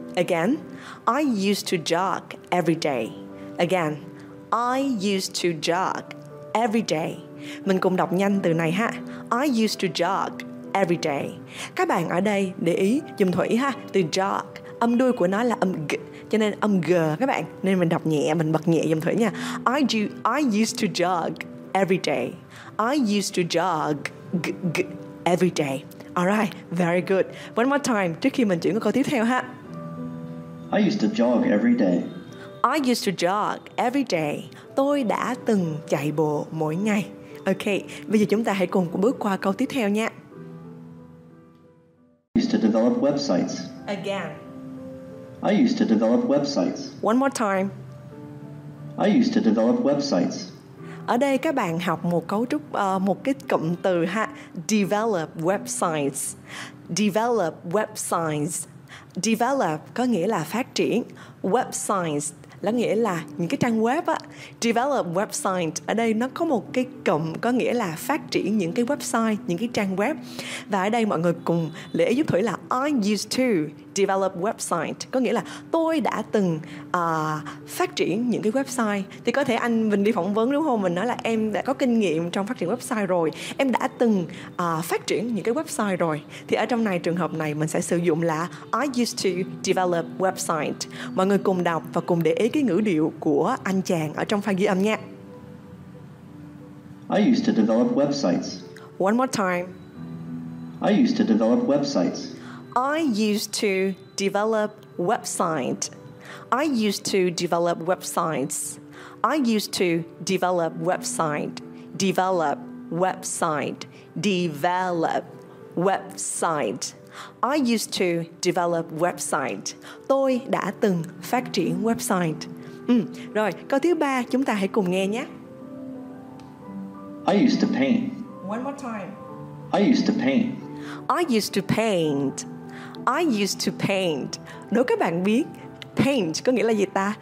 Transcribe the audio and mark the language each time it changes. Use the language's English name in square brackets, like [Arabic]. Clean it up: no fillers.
[English] Again, I used to jog every day. Again, I used to jog every day. [Vietnamese] Mình cùng đọc nhanh từ này ha. [English] I used to jog every day. [Vietnamese] Các bạn ở đây để ý dùm Thủy ha, từ jog, âm đuôi của nó là âm g, cho nên âm g các bạn, nên mình đọc nhẹ, mình bật nhẹ giùm Thủy nha. I used to jog every day. I used to jog g every day. [English] Alright, very good. One more time [Vietnamese] trước khi mình chuyển qua câu tiếp theo ha. [English] I used to jog every day. I used to jog every day. [Vietnamese] Tôi đã từng chạy bộ mỗi ngày. Ok, bây giờ chúng ta hãy cùng bước qua câu tiếp theo nha. [English] I used to develop websites. Again. I used to develop websites. One more time. I used to develop websites. [Vietnamese] Ở đây các bạn học một cấu trúc, một cái cụm từ ha, develop websites. Develop websites. Develop có nghĩa là phát triển. Websites là nghĩa là những cái trang web á. Develop website ở đây nó có một cái cụm có nghĩa là phát triển những cái website, những cái trang web. Và ở đây mọi người cùng lưu ý giúp Thủy là [English] I used to develop website [Vietnamese] có nghĩa là tôi đã từng phát triển những cái website. Thì có thể anh Vinh đi phỏng vấn đúng không, mình nói là em đã có kinh nghiệm trong phát triển website rồi, em đã từng phát triển những cái website rồi. Thì ở trong này, trường hợp này mình sẽ sử dụng là [English] I used to develop website. [Vietnamese] Mọi người cùng đọc và cùng để ý cái ngữ điệu của anh chàng ở trong file ghi âm nha. [English] I used to develop websites. One more time. I used to develop websites. I used to develop website. I used to develop websites. I used to develop website. Develop website. Develop website. I used to develop website. [Vietnamese] Tôi đã từng phát triển website. Rồi, câu thứ ba chúng ta hãy cùng nghe nhé. [English] I used to paint. One more time. I used to paint. I used to paint. I used to paint. [Vietnamese] Nếu các bạn biết paint có nghĩa là gì ta?